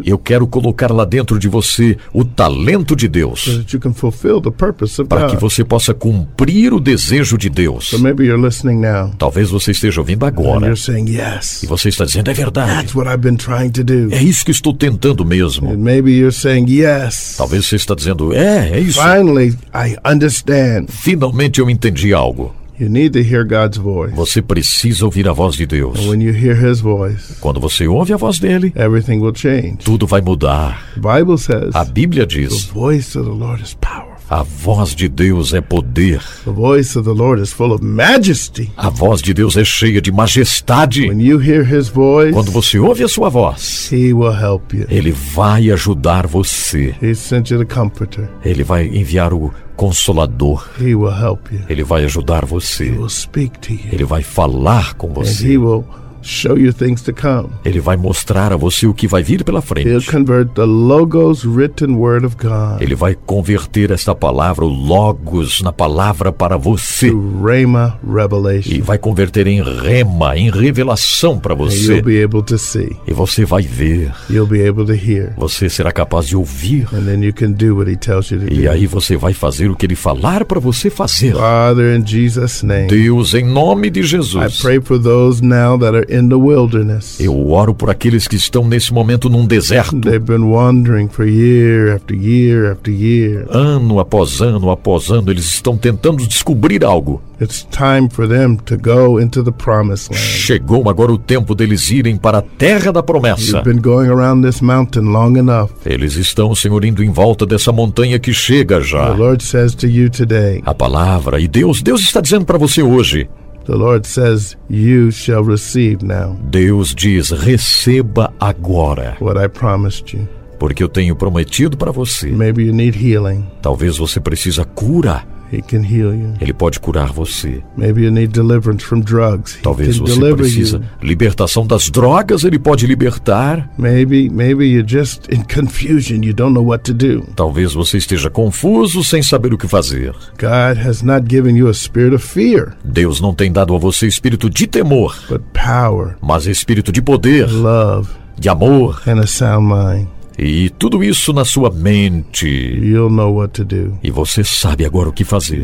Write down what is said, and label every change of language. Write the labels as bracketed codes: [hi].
[pt] Eu quero colocar lá dentro de você o talento de Deus. [en] So that you can fulfill the purpose of [pt] para [en] God. [pt] Que você possa cumprir o desejo de Deus. [en] So maybe you're listening now. [pt] Talvez você esteja ouvindo agora. [en] And you're saying, yes. [pt] E você está dizendo, é verdade. [en] That's what I've been trying to do. [pt] É isso que estou tentando mesmo. [en] And maybe you're saying, yes. [pt] Talvez você está dizendo, é isso. [en] Finally, I understand. [pt] Finalmente eu entendi algo. [en] You need to hear God's voice. [pt] Você precisa ouvir a voz de Deus. [en] And when you hear his voice, [pt] quando você ouve a voz dele, [en] everything will change. [pt] Tudo vai mudar. [en] The Bible says, [pt] a Bíblia diz, [en] the voice of the Lord is power. [pt] A voz de Deus é poder. [en] The voice of the Lord is full of majesty. [pt] A voz de Deus é cheia de majestade. [en] When you hear his voice, [pt] quando você ouve a sua voz, [en] he will help you. [pt] Ele vai ajudar você. [en] He sent you the comforter. [pt] Ele vai enviar o Consolador. [en] He will help you. [pt] Ele vai ajudar você. [en] He will speak to you. [pt] Ele vai falar com você. [en] And he will show you things to come. [pt] Ele vai mostrar a você o que vai vir pela frente. [en] He'll convert the logos written word of God. [pt] Ele vai converter esta palavra, o logos, na palavra para você. [en] To rhema revelation. [pt] E vai converter em rhema, em revelação para você. [en] And you'll be able to see. [pt] E você vai ver. [en] You'll be able to hear. [pt] Você será capaz de ouvir. [en] And then you can do what he tells you to do. [pt] E aí você vai fazer o que ele falar para você fazer. [en] Father, in Jesus' name. [pt] Deus, em nome de Jesus. [en] I pray for those now that are in the wilderness. [pt] Eu oro por aqueles que estão nesse momento num deserto. [en] They've been wandering for year after year after year. [pt] Ano após ano após ano, eles estão tentando descobrir algo. [en] It's time for them to go into the promised land. [pt] Chegou agora o tempo deles irem para a terra da promessa. [en] You've been going around this mountain long enough. [pt] Eles estão, Senhor, indo em volta dessa montanha que chega já. [en] The Lord says to you today. [pt] A palavra e Deus está dizendo para você hoje. [en] The Lord says, you shall receive now. [pt] Deus diz, receba agora. [en] What I promised you. [pt] Porque eu tenho prometido para você. [en] Maybe you need healing. [pt] Talvez você precisa cura. [en] He can heal you. [pt] Ele pode curar você. [en] Maybe you need deliverance from drugs. [pt] Talvez [en] he can [pt] você precisa [en] you. [pt] Libertação das drogas, ele pode libertar. [en] Maybe you're just in confusion, you don't know what to do. [pt] Talvez você esteja confuso sem saber o que fazer. [en] God has not given you a spirit of fear. [pt] Deus não tem dado a você espírito de temor, [en] but power, [pt] mas espírito de poder, [en] love, [pt] de amor, [en] and a sound mind. [pt] E tudo isso na sua mente. [en] You'll know what to do. [pt] E você sabe agora o que fazer.